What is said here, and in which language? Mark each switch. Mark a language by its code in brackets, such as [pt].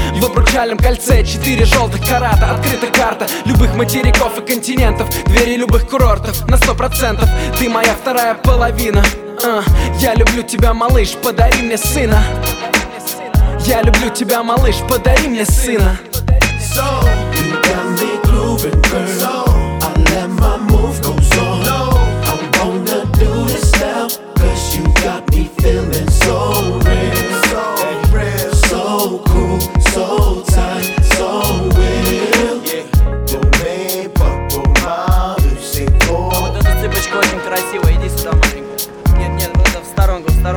[ru] В обручальном кольце 4 желтых карата. Открыта карта любых материков и континентов, двери любых курортов на 100%. Ты моя вторая половина. Я люблю тебя, малыш, подари мне сына. Я люблю тебя, малыш, подари мне сына. [en] So, you got me grooving, girl. So, I let my move go so low. I'm gonna do this now, 'cause you got me feeling so real. So real, so cool, so tight, so real. Yeah, don't make but bumaru sicko. [ru] А вот эту цепочку очень красиво, иди сюда, маленькая. Нет, нет, вот это в сторонку.